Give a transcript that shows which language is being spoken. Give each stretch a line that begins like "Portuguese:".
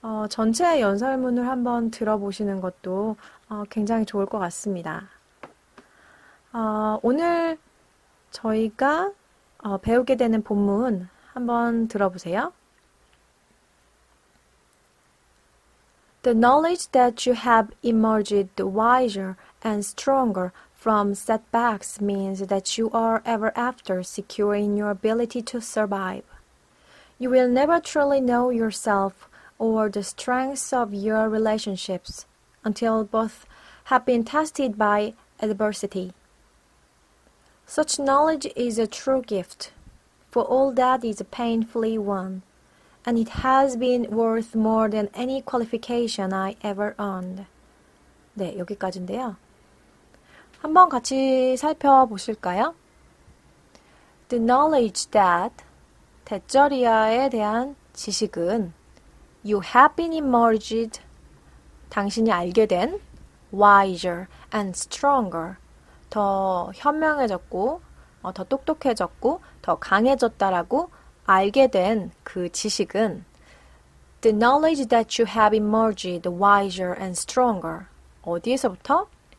Korean: 전체 연설문을 한번 들어보시는 것도 굉장히 좋을 것 같습니다. 오늘 저희가 배우게 되는 본문 한번 들어보세요.
English: The knowledge that you have emerged wiser and stronger from setbacks means that you are ever after secure in your ability to survive. You will never truly know yourself or the strengths of your relationships until both have been tested by adversity. Such knowledge is a true gift, for all that is painfully won, and it has been worth more than any qualification I ever earned.
Korean: 네, 여기까지인데요. 한번 같이 살펴보실까요?
English: The knowledge that,
Korean: 대절이야에 대한 지식은
English: You have been emerged,
Korean: 당신이 알게 된
English: wiser and stronger,
Korean: 더 현명해졌고, 더 똑똑해졌고, 더 강해졌다라고 알게 된 그 지식은
English: The knowledge that you have emerged wiser and stronger
Korean: 어디에서부터?